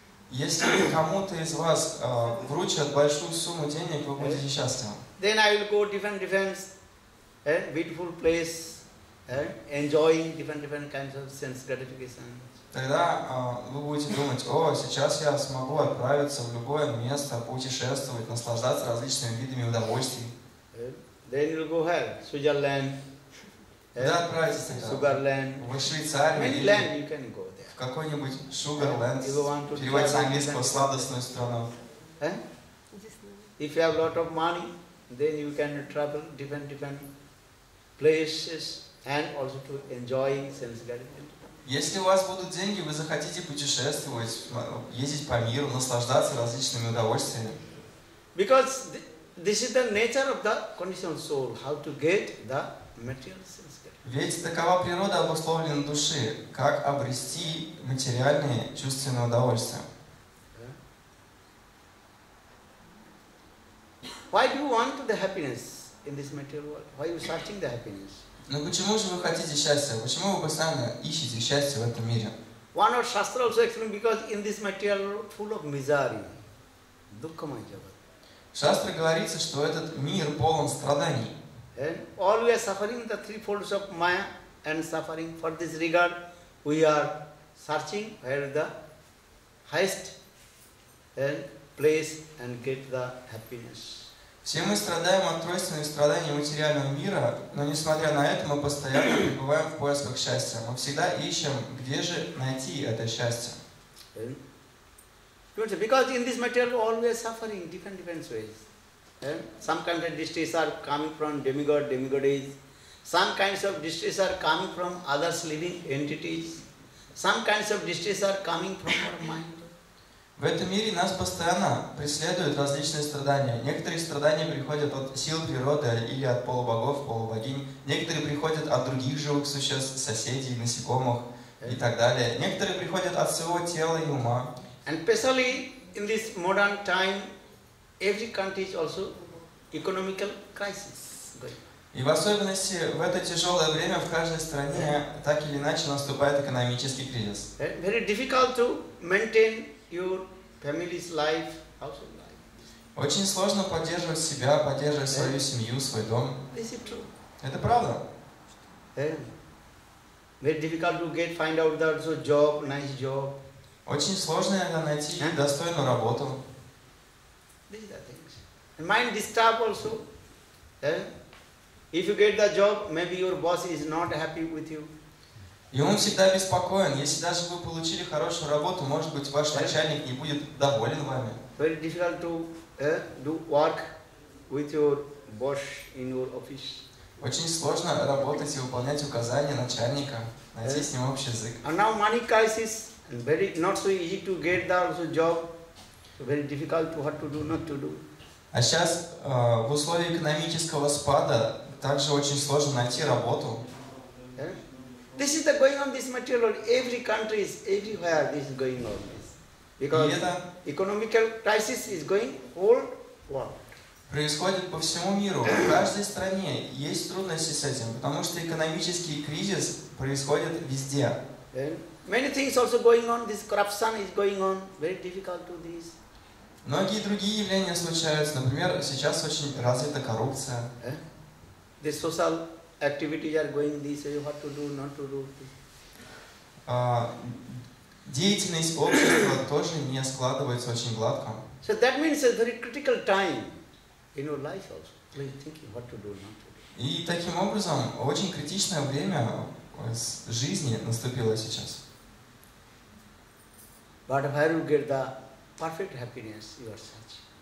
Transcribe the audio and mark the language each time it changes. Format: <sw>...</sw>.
<ru>Если кому-то из вас вручат большую сумму денег, вы будете счастливы.</ru> <en>Then I will go different beautiful place, enjoying different kinds of sense gratification.</en> <ru>Тогда вы будете думать, о, сейчас я смогу отправиться в любое место, путешествовать, наслаждаться различными видами удовольствий.</ru> <en>Then you'll go here, Switzerland.</en> <ru>Sugarland. В Швейцарию.</ru> <en>Any land you can go there.</en> <ru>В какой-нибудь Sugarland. Переводить на английский сладостную страну.</ru> <en>If you have a lot of money, then you can travel different places and also to enjoy sense gratification.</en> <ru>Если у вас будут деньги, вы захотите путешествовать, ездить по миру, наслаждаться различными удовольствиями.</ru> <en>Because this is the nature of the conditioned soul, how to get the material sense gratification.</en> <ru>Ведь такова природа обусловлена души, как обрести материальные чувственные удовольствия.</ru> <en>Why do you want the happiness in this material world? Why are you searching the happiness?</en> <ru>Но почему же вы хотите счастья? Почему вы постоянно ищете счастье в этом мире?</ru> <en>One of Shastra also explains because in this material world full of misery, dukkhamay jagat.</en> <ru>Шастра говорится, что этот мир полон страданий.</ru> <en>And all we are suffering the three folds of Maya and suffering for this regard, we are searching where the highest and place and get the happiness.</en> <ru>Все мы страдаем от тройственных страданий материального мира, но несмотря на это мы постоянно пребываем в поисках счастья. Мы всегда ищем, где же найти это счастье.</ru> <en>Because in this material world we are suffering different ways. Some kinds of distress are coming from demigods. Some kinds of distress are coming from others living entities. Some kinds of distress are coming from our mind.</en> <ru>В этом мире нас постоянно преследуют различные страдания. Некоторые страдания приходят от сил природы или от полубогов, полубогинь. Некоторые приходят от других живых существ, соседей, насекомых и так далее. Некоторые приходят от своего тела и ума.</ru> <en>And especially in this modern time, every country is also economical crisis.</en> <ru>И в особенности в это тяжелое время в каждой стране так или иначе наступает экономический кризис.</ru> <en>Very difficult to maintain your family's life, household life.</en> <ru>Очень сложно поддерживать себя, поддерживать свою семью, свой дом.</ru> <en>Is it true?</en> <ru>Это правда.</ru> <en>Very difficult to get, find out that so job, nice job.</en> <ru>Очень сложно иногда найти достойную работу.</ru> <en>These are things. And mind disturb also. If you get the job, maybe your boss is not happy with you.</en> <ru>И он всегда беспокоен. Если даже вы получили хорошую работу, может быть, ваш начальник не будет доволен вами.</ru> <en>Very difficult to do work with your boss in your office.</en> <ru>Очень сложно работать и выполнять указания начальника, найти с ним общий язык.</ru> <en>And now money crisis. And very not so easy to get the also job. So very difficult to what to do, not to do.</en> <ru>А сейчас в условиях экономического спада также очень сложно найти работу.</ru> <en>This is the going on this material world. Every country is everywhere this is going on this. Because economical crisis is going whole world.</en> <ru>Происходит по всему миру. В каждой стране есть трудности с этим, потому что экономический кризис происходит везде.</ru> <en>Many things also going on. This corruption is going on. Very difficult to this.</en> <ru>Многие другие явления случаются. Например, сейчас очень развита коррупция.</ru> <en>The social activities are going this. You have to do, not to do.</en> <ru>Деятельность общества тоже не складывается очень гладко.</ru> <en>So that means a very critical time in your life also. Please think what to do, not to do.</en> <ru>И таким образом очень критичное время жизни наступило сейчас.</ru> <en>But where you get the perfect happiness you are searching.</en>